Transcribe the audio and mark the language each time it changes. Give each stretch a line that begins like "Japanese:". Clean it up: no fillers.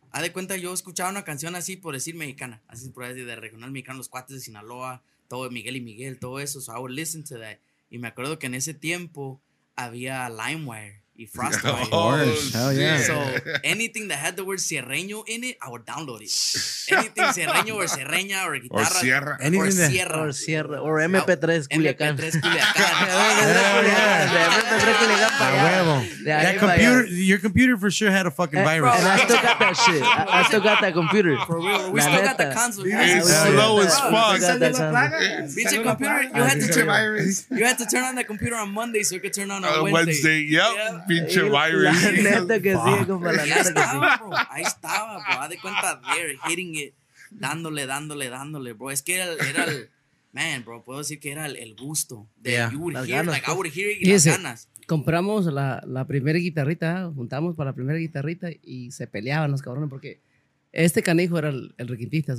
Spanish: Haz de cuenta, yo escuchaba una canción así, por decir, mexicana. Así por decir, de regional mexicano, los cuates de Sinaloa, todo Miguel y Miguel, todo eso.
English: So I would listen to that.
Spanish: Y me acuerdo que en ese tiempo había LimeWire y Frostwire.
English: Oh, hell yeah. So anything that had the word sierreño in it, I would download it. Anything sierreño or sierreña or guitarra. Or sierra. Anything or sierra. Or sierra. Or MP3 Culiacán. MP3 Culiacán. MP3 Culiacán. That computer, your computer for sure had a fucking virus. And I still got that shit. I still got that computer. For real, we still got the console. It's slow as fuck. Bitch, computer, you had to turn on that computer on Monday so you could turn on a Wednesday. Yep, bitch, virus.
Spanish: Neta que sí, como la neta que sí. Ahí estaba, bro. Haz de cuenta,
English: there, hitting it,
Spanish: dándole, bro. Es que era el, man, bro. Puedo decir que era el gusto.
English: Yeah, las ganas. Like, I would hear it
Spanish: y las ganas. Compramos la primera guitarrita, juntamos para la primera guitarrita y se peleaban los cabrones porque este canijo era el requintista.